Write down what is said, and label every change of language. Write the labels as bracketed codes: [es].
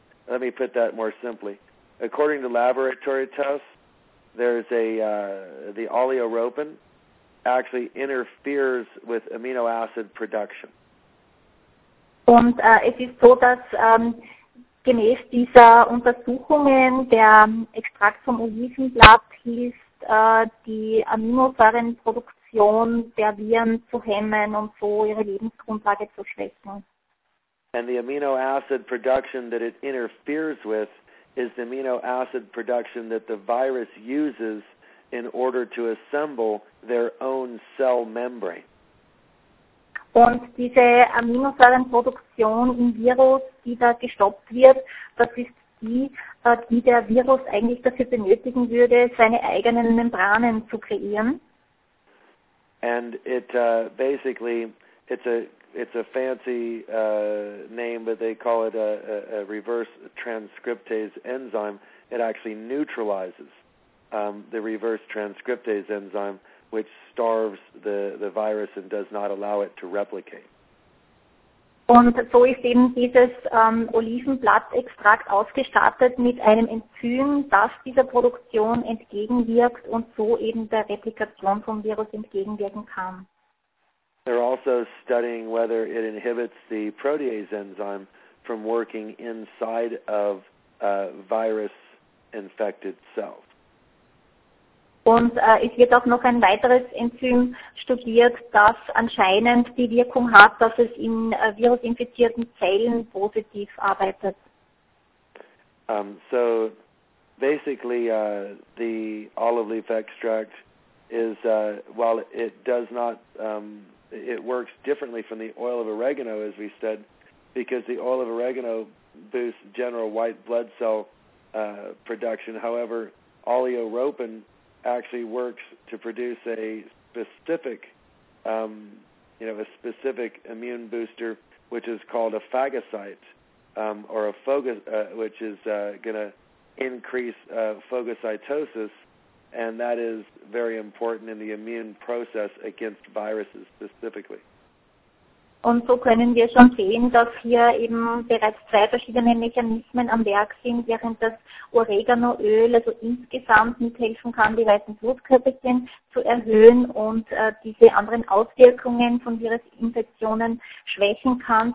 [en] Let me put that more simply. According to laboratory tests, there's the oleoropin actually interferes with amino acid production. [de] Und es ist so, dass gemäß dieser Untersuchungen der Extrakt vom Olivenblatt hilft, die Aminosäurenproduktion der Viren zu hemmen und so ihre Lebensgrundlage zu schwächen. [en] And the amino acid production that it interferes with is the amino acid production that the virus uses in order to assemble their own cell membrane. [de] Und diese Aminosäurenproduktion im Virus, die da gestoppt wird, das ist die der Virus eigentlich dafür benötigen würde, seine eigenen Membranen zu kreieren. [en] And it basically, it's a fancy name, but they call it a reverse transcriptase enzyme. It actually neutralizes the reverse transcriptase enzyme, which starves the virus and does not allow it to replicate. [de] Und so ist eben dieses Olivenblattextrakt ausgestattet mit einem Enzym, das dieser Produktion entgegenwirkt und so eben der Replikation vom Virus entgegenwirken kann. [en] They're also studying whether it inhibits the protease enzyme from working inside of virus-infected cells. [de] Und es wird auch noch ein weiteres Enzym studiert, das anscheinend die Wirkung hat, dass es in virusinfizierten Zellen positiv arbeitet. [en] So basically the olive leaf extract is, while it does not, it works differently from the oil of oregano, as we said, because the oil of oregano boosts general white blood cell production. However, oleoropin actually works to produce a specific, a specific immune booster, which is called a phagocyte, or a phagocyte, which is going to increase phagocytosis, and that is very important in the immune process against viruses specifically. [de] Und so können wir schon sehen, dass hier eben bereits zwei verschiedene Mechanismen am Werk sind, während das Oreganoöl also insgesamt mithelfen kann, die weißen Blutkörperchen zu erhöhen und diese anderen Auswirkungen von Virusinfektionen schwächen kann.